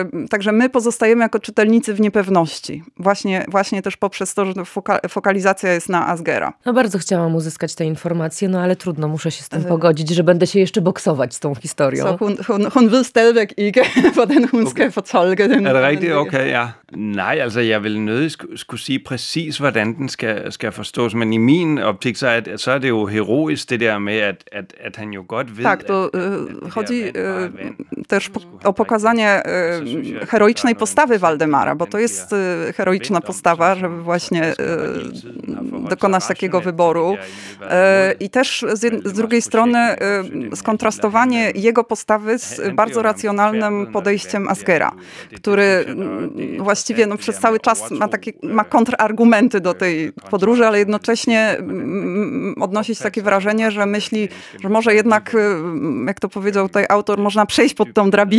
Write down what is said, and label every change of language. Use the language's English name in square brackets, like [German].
[Polish] Także my pozostajemy jako czytelnicy w niepewności. Właśnie też poprzez to, że fokalizacja jest na Asgera. No bardzo chciałam uzyskać te informacje, no ale trudno, muszę się z tym pogodzić, że będę się jeszcze boksować z tą historią. [Danish] Hun vil stadigvæk ikke, hvordan hun skal fortolke den. Er det rigtigt? Okay, ja. Nej, altså jeg vil nødig skulle sige præcis, hvordan den skal forstås, men i min optik, så er det jo heroisk det der med, at han jo godt ved, [Polish] tak, to chodzi też o pokazanie heroicznej postawy Waldemara, bo to jest heroiczna postawa, żeby właśnie dokonać takiego wyboru. I też z drugiej strony skontrastowanie jego postawy z bardzo racjonalnym podejściem Asgera, który właściwie no, przez cały czas ma kontrargumenty do tej podróży, ale jednocześnie odnosi się takie wrażenie, że myśli, że może jednak, jak to powiedział tutaj autor, można przejść pod tą drabinę